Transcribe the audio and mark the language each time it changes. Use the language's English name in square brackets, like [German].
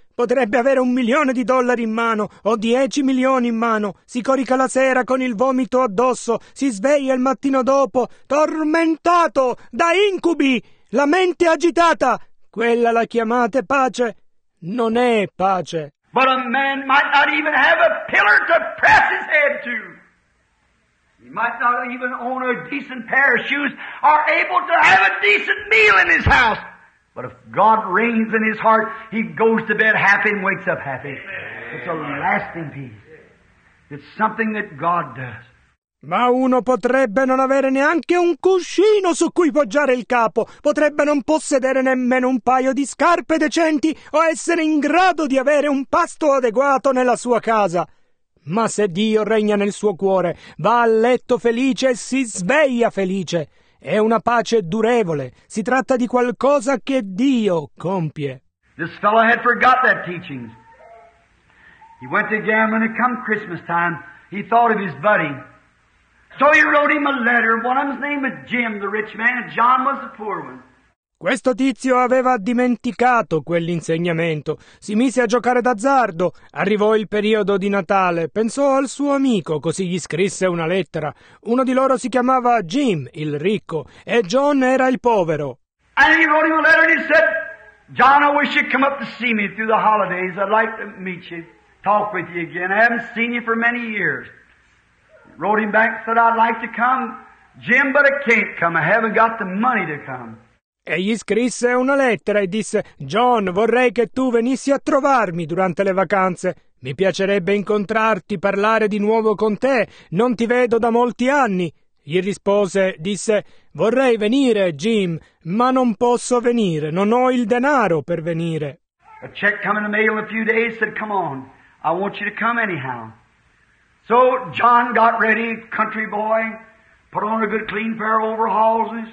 [Italian] Potrebbe avere $1,000,000 in mano o 10,000,000 in mano. Si corica la sera con il vomito addosso. Si sveglia il mattino dopo, tormentato da incubi, la mente agitata. Quella la chiamate pace? Non è pace. [English] But a man might not even have a pillar to press his head to. He might not even own a decent pair of shoes or able to have a decent meal in his house. But if God reigns in his heart, he goes to bed happy and wakes up happy. Amen. It's a lasting peace. It's something that God does. [Italian] Ma uno potrebbe non avere neanche un cuscino su cui poggiare il capo. Potrebbe non possedere nemmeno un paio di scarpe decenti o essere in grado di avere un pasto adeguato nella sua casa. Ma se Dio regna nel suo cuore, va a letto felice e si sveglia felice. È una pace durevole. Si tratta di qualcosa che Dio compie. [English] This fellow had forgot that teaching. He went to gambling and come Christmas time, he thought of his buddy. So he wrote him a letter. One of them's name was Jim, the rich man, and John was the poor one. [Italian] Questo tizio aveva dimenticato quell'insegnamento. Si mise a giocare d'azzardo. Arrivò il periodo di Natale. Pensò al suo amico, così gli scrisse una lettera. Uno di loro si chiamava Jim, il ricco, e John era il povero. [English] And he wrote him a letter and he said, John, I wish you'd come up to see me through the holidays. I'd like to meet you, talk with you again. I haven't seen you for many years. Wrote him back and said, I'd like to come, Jim, but I can't come. I haven't got the money to come. [Italian] E gli scrisse una lettera e disse, John, vorrei che tu venissi a trovarmi durante le vacanze. Mi piacerebbe incontrarti, parlare di nuovo con te. Non ti vedo da molti anni. Gli rispose, disse, vorrei venire, Jim, ma non posso venire. Non ho il denaro per venire. [English] A check came in the mail in a few days said, come on, I want you to come anyhow. So John got ready, country boy, put on a good clean pair of overhauls.